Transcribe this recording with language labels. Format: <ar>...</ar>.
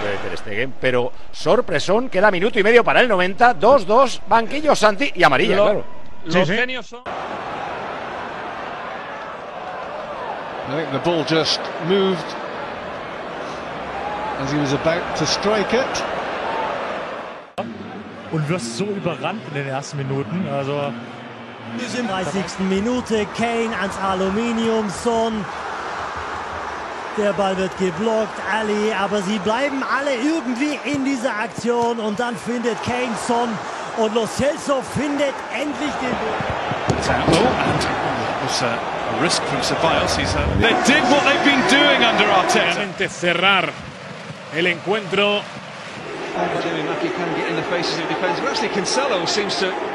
<es>De Stegen, pero sorpresón, queda minuto y medio para el 90, 2-2, banquillo Santi y amarilla, claro. Los genios son...</es> <en>I think the ball just moved as he was about to strike it.</en> <de>Und wirst so überrannt in den ersten Minuten, also... 30. Minute, Kane ans Aluminium, Son... Der Ball wird geblockt, Ali, aber sie bleiben alle irgendwie in dieser Aktion und dann findet Kane Son und Lo Celso findet endlich den</de> <en>Ball. And it's a risk from Ceballos. They did what they've been doing under Arteta.</en> <es>Cerrar el encuentro.</es> <en>Jamie Mackie can get in the faces of defense, but actually Cancelo seems to...</en>